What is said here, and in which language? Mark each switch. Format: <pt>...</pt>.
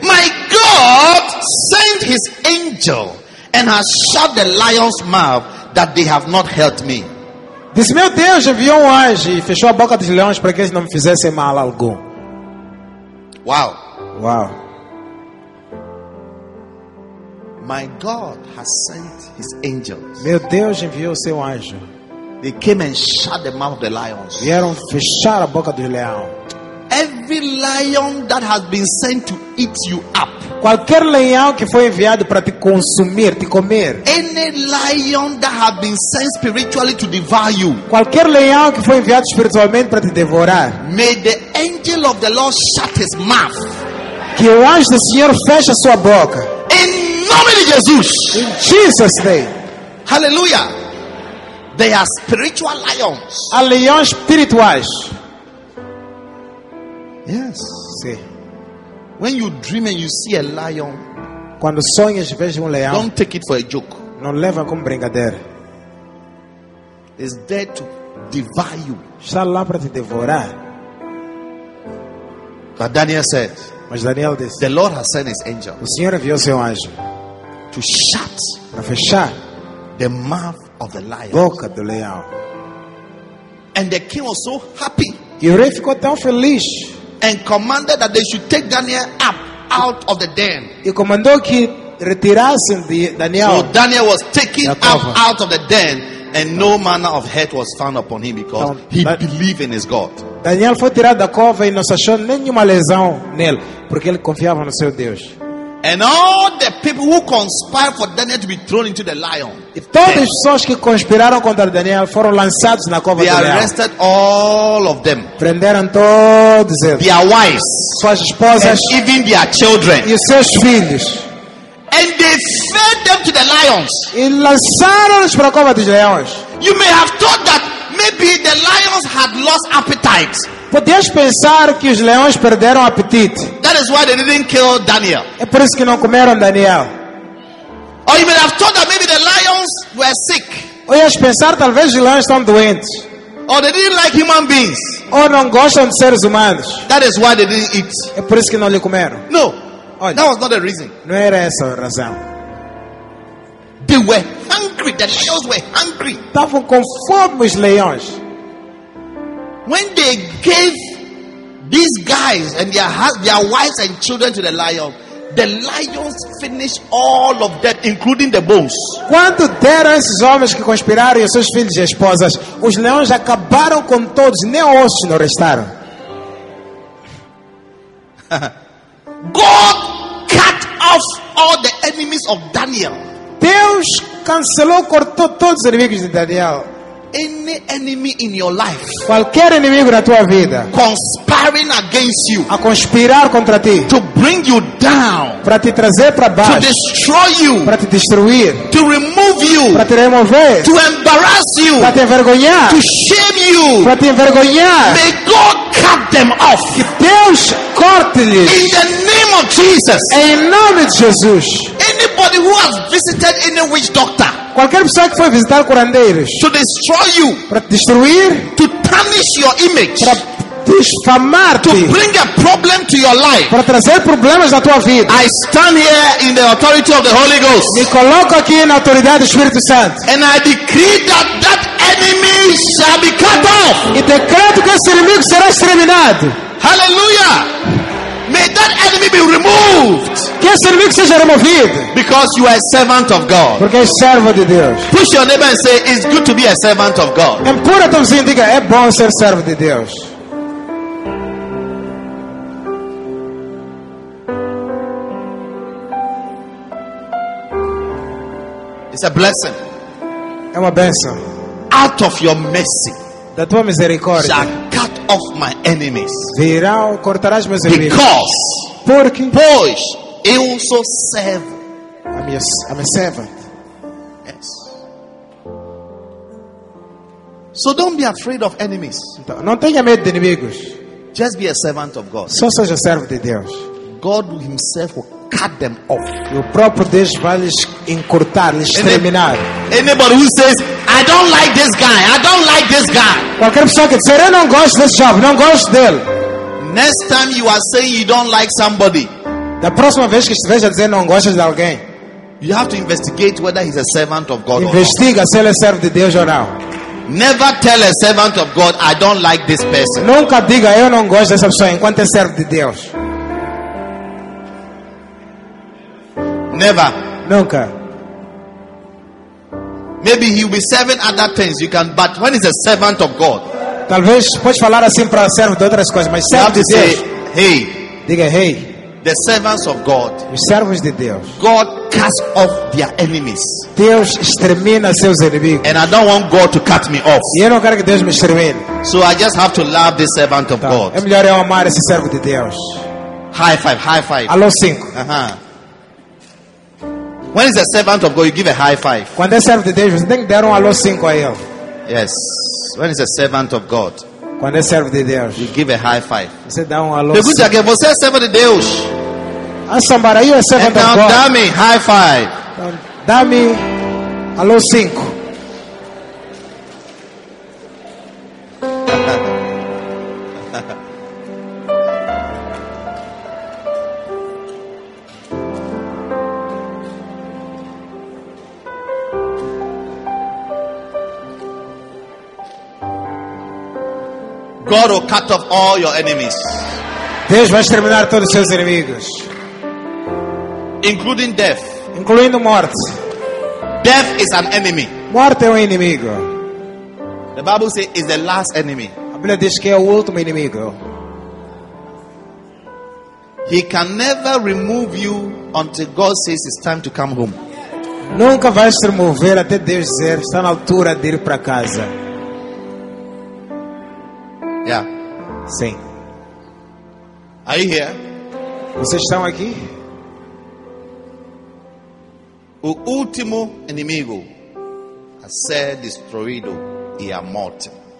<en>My God sent his angel and has shut the lion's mouth that they have not hurt me.</en> <pt>Disse, meu Deus, enviou um anjo e fechou a boca dos leões para que eles não me fizessem mal algum. Wow. Wow.</pt> <en>My God has sent his angels.</en> <pt>Meu Deus enviou o seu anjo.</pt> <en>They came and shut the mouth of the lions.</en> <pt>Vieram fechar a boca do leão.</pt> <en>Every lion that has been sent to eat you up.</en> <pt>Qualquer leão que foi enviado para te consumir, te comer.</pt> <en>Any lion that has been sent spiritually to devour you.</en> <pt>Qualquer leão que foi enviado espiritualmente para te devorar.</pt> <en>May the angel of the Lord shut his mouth.</en> <pt>Que o anjo do Senhor feche a sua boca.</pt> <en>Jesus. In Jesus' name. Hallelujah. They are spiritual lions.</en> <pt>A leões espirituais.</pt> <en>Yes. See. When you dream and you see a lion,</en> <pt>quando sonhas e vês um leão,</pt> <en>don't take it for a joke.</en> <pt>Não leva como brincadeira.</pt> <en>It's there to devour you.</en> <pt>Está lá para te devorar.</pt> <en>But Daniel said,</en> <pt>mas Daniel disse,</pt> <en>the Lord has sent his angel.</en> <pt>O Senhor enviou seu anjo.</pt> <en>To shut the mouth of the lion.</en> <pt>Boca do leão.</pt> <en>And the king was so happy.</en> <pt>E o rei ficou tão feliz.</pt> <en>And commanded that they should take Daniel up out of the den.</en> <pt>E comandou que retirassem Daniel.</pt> <en>So Daniel was taken up out of the den, and no manner of hurt was found upon him because he believed in his God.</en> <pt>Daniel foi tirado da cova e não se achou nenhuma lesão nele, porque ele confiava no seu Deus.</pt> <en>And all the people who conspired for Daniel to be thrown into the lion.</en> <pt>E todos os pessoas que conspiraram contra Daniel foram lançados na cova do leão.</pt> <en>They arrested all of them.</en> <pt>Prenderam todos eles.</pt> <en>Their wives.</en> <pt>Suas esposas.</pt> <en>And even their children.</en> <pt>E seus filhos.</pt> <en>And they fed them to the lions.</en> <pt>E lançaram-os para a cova dos leões.</pt> <en>You may have thought that maybe the lions had lost appetite.</en> <pt>Podias pensar que os leões perderam o apetite.</pt> <en>That is why they didn't kill Daniel.</en> <pt>É por isso que não comeram Daniel.</pt> <en>Or you may have thought that maybe the lions were sick.</en> <pt>Ou ias pensar talvez os leões estão doentes.</pt> <en>Or they didn't like human beings.</en> <pt>Ou não gostam de seres humanos.</pt> <en>That is why they didn't eat.</en> <pt>É por isso que não lhe comeram.</pt> <en>No.</en> <pt>Olha,</pt> <en>that was not the reason.</en> <pt>Não era essa a razão.</pt> <en>They were hungry. The lions were hungry.</en> <pt>Estavam com fome os leões.</pt> <en>When they gave these guys and their wives and children to the lions finished all of them, including the bones.</en> <pt>Quando deram esses homens que conspiraram e seus filhos e esposas, os leões acabaram com todos, nem ossos não restaram.</pt> <en>God cut off all the enemies of Daniel.</en> <pt>Deus cancelou, cortou todos os inimigos de Daniel.</pt> <en>Any enemy in your life,</en> <pt>qualquer inimigo na tua vida,</pt> <en>conspiring against you,</en> <pt>a conspirar contra ti,</pt> <en>to bring you down,</en> <pt>para te trazer para baixo,</pt> <en>to destroy you,</en> <pt>para te destruir,</pt> <en>to remove you,</en> <pt>para te remover,</pt> <en>to embarrass you,</en> <pt>para te envergonhar,</pt> <en>to shame you,</en> <pt>para te envergonhar,</pt> <en>may God cut them off.</en> <pt>Que Deus corte-lhes.</pt> <en>In the name of Jesus.</en> <pt>Em nome de Jesus.</pt> <en>Anybody who has visited any witch doctor.</en> <pt>Qualquer pessoa que foi visitar curandeiros.</pt> <en>To destroy you.</en> <pt>Para destruir.</pt> <en>To tarnish your image.</en> <pt>Para difamar-te.</pt> <en>To bring a problem to your life.</en> <pt>Para trazer problemas na tua vida.</pt> <en>I stand here in the authority of the Holy Ghost.</en> <pt>Me coloco aqui na autoridade do Espírito Santo.</pt> <en>And I decree that that enemy shall be cut off.</en> <pt>E decreto que esse inimigo será exterminado.</pt> <en>Hallelujah. May that enemy be removed.</en> <pt>Que esse inimigo seja removido.</pt> <en>Because you are a servant of God.</en> <pt>Porque é servo de Deus.</pt> <en>Push your neighbor and say, it's good to be a servant of God.</en> <pt>Empurra teu vizinho e diga, é bom ser servo de Deus.</pt> <en>It's a blessing.</en> <pt>É uma bênção.</pt> <en>Out of your mercy,</en> <pt>da tua misericórdia,</pt> <en>shall cut off my enemies.</en> <pt>Virá, cortarás meus inimigos.</pt> <en>Because,</en> <pt>porque, pois, eu sou servo.</pt> <en>I'm a servant. Yes. So don't be afraid of enemies.</en> <pt>Não tenha medo de inimigos.</pt> <en>Just be a servant of God.</en> <pt>Só seja servo de Deus.</pt> <en>God Himself will cut them off.</en> <pt>O próprio Deus vai lhes encurtar, lhes exterminar.</pt> <en>Anybody who says, I don't like this guy, I don't like this guy.</en> <pt>Qualquer pessoa que dizer, eu não gosto desse jovem, não gosto dele.</pt> <en>Next time you are saying you don't like somebody,</en> <pt>da próxima vez que estiver a dizer não gosto de alguém,</pt> <en>you have to investigate whether he's a servant of God.</en> <pt>Investiga se ele é servo de Deus ou não.</pt> <en>Never tell a servant of God, I don't like this person.</en> <pt>Nunca diga eu não gosto dessa pessoa enquanto é servo de Deus.</pt> <en>Never.</en> <pt>Nunca.</pt> <en>Maybe he will be serving other things. You can, but when he's a servant of God,</en> <pt>talvez pode falar assim para servo de outras coisas, mas servo de Deus.</pt> <en>Say, hey,</en> <pt>diga hey.</pt> <en>The servants of God.</en> <pt>Os servos de Deus.</pt> <en>God cast off their enemies.</en> <pt>Deus extermina seus inimigos.</pt> <en>And I don't want God to cut me off.</en> <pt>E eu não quero que Deus me extermine.</pt> <en>So I just have to love this servant of God.</en> <pt>É melhor eu amar esse servo de Deus.</pt> <en>High five, high five.</en> <pt>Alô cinco.</pt> <en>When is a servant of God, you give a high five.</en> <pt>Quando é servo de Deus, você tem que dar alô cinco a ele.</pt> <en>Yes. When is a servant of God,</en> <pt>quando é servo de Deus,</pt> <en>you give a high five.</en> <pt>Você dá alô cinco. Pergunta que você é servo de Deus.</pt> <en>Somebody, are you a servant of God?</en> <pt>Dá-me</pt> <en>high five.</en> <pt>Dá-me alô cinco.</pt> <en>God will cut off all your enemies.</en> <pt>Deus vai exterminar todos os seus inimigos.</pt> <en>Including death.</en> <pt>Incluindo morte.</pt> <en>Death is an enemy.</en> <pt>Morte é inimigo.</pt> <en>The Bible says it's the last enemy.</en> <pt>A Bíblia diz que é o último inimigo.</pt> <en>He can never remove you until God says it's time to come home.</en> <pt>Nunca vai se remover até Deus dizer está na altura de ir para casa.</pt> <en>Yeah.</en> <pt>Sim.</pt> <en>Are you here?</en> <pt>Vocês estão aqui? O último inimigo a ser destruído é a morte.</pt>